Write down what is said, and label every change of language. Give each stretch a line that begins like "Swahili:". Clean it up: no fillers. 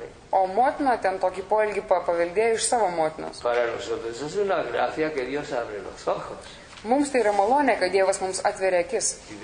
Lithuanian: O motina ten tokį poelgį paveldėjo iš savo motinos.
Spanish: Para nosotros es una gracia que Dios abre los ojos.
Lithuanian: Mums tai yra malonė, kad Dievas mums atveria akis.